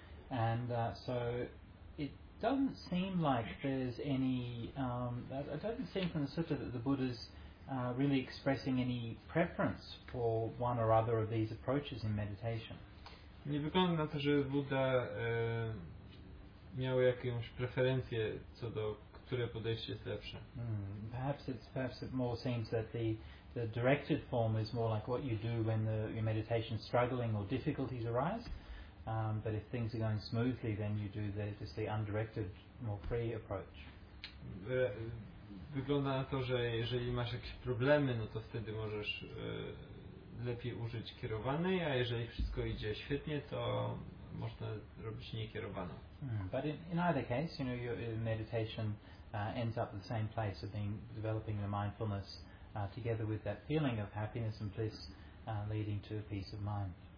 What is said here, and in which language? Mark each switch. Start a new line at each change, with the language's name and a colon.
English: And so it doesn't seem like there's any it doesn't seem from the sutta that the Buddha's really expressing any preference for one or other of these approaches in meditation.
Polish: Nie wygląda na to, że Buddha miał jakąś preferencję co do które podejście jest lepsze.
English: Perhaps it more seems that the directed form is more like what you do when your meditation struggling or difficulties arise, but if things are going smoothly, then you do the undirected, more free approach.
Polish: Wygląda na to, że jeżeli masz jakieś problemy, no to wtedy możesz lepiej użyć kierowanej, a jeżeli wszystko idzie świetnie, to można robić niekierowaną.
English: But in either case, you know, your meditation ends up in the same place of developing the mindfulness together with that feeling of happiness and bliss leading to a peace of mind.